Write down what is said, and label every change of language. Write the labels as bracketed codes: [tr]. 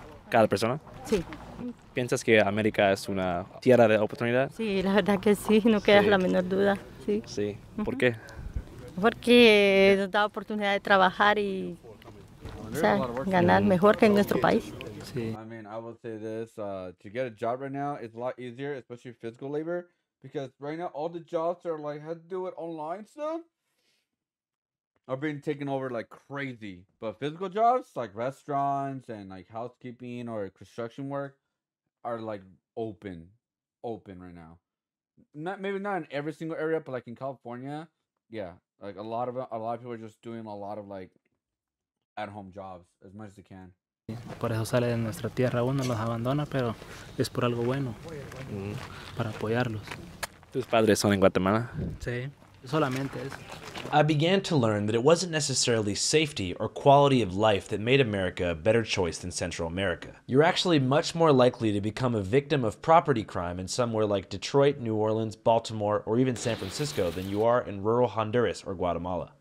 [es] ¿Cada persona? Sí. ¿Piensas que América es una tierra de oportunidad? Sí, la verdad que sí, no queda la menor duda. Sí. Sí. ¿Por qué? Porque nos da oportunidad de trabajar y ganar mejor que en nuestro país. Sí. [en] I mean, I will say this, to get a job right now is a lot easier, especially physical labor, because right now all the jobs are like had to do with online stuff are being taken over like crazy. But physical jobs like restaurants and like housekeeping or construction work are like open right now. Not maybe not in every single area, but like in California, yeah, like a lot of people are just doing a lot of like at home jobs as much as they can. [es] Por eso sale de nuestra tierra, uno los abandona, pero es por algo bueno, para apoyarlos. ¿Tus padres son en Guatemala? Sí. Solamente es. [en] I began to learn that it wasn't necessarily safety or quality of life that made America a better choice than Central America. You're actually much more likely to become a victim of property crime in somewhere like Detroit, New Orleans, Baltimore, or even San Francisco than you are in rural Honduras or Guatemala.